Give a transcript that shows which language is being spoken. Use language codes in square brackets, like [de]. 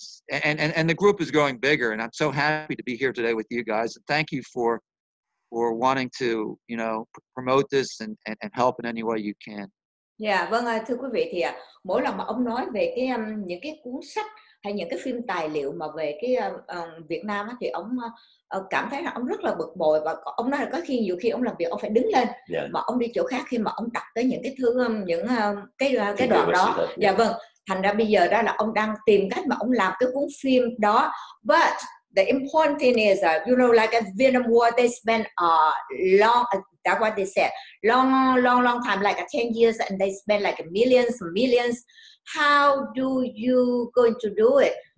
[en] And the group is growing bigger, and I'm so happy to be here today with you guys. And thank you for wanting to, you know, promote this and help in any way you can. [vi] Yeah, vâng, thưa quý vị, thì mỗi lần mà ông nói về cái những cái cuốn sách hay những cái phim tài liệu mà về cái Việt Nam thì ông cảm thấy là ông rất là bực bội, và ông nói là có khi nhiều khi ông làm việc ông phải đứng lên mà ông đi chỗ khác khi mà ông đọc tới những cái thứ những cái đoạn đó. Dạ vâng. Thành ra bây giờ đó là ông đang tìm cách mà ông làm cái cuốn phim đó. [en] But the important thing is, you know, like a Vietnam War, they spent a long, that's what they said, long, long, long time, like 10 years, and they spent like millions, millions. How do you going to do it?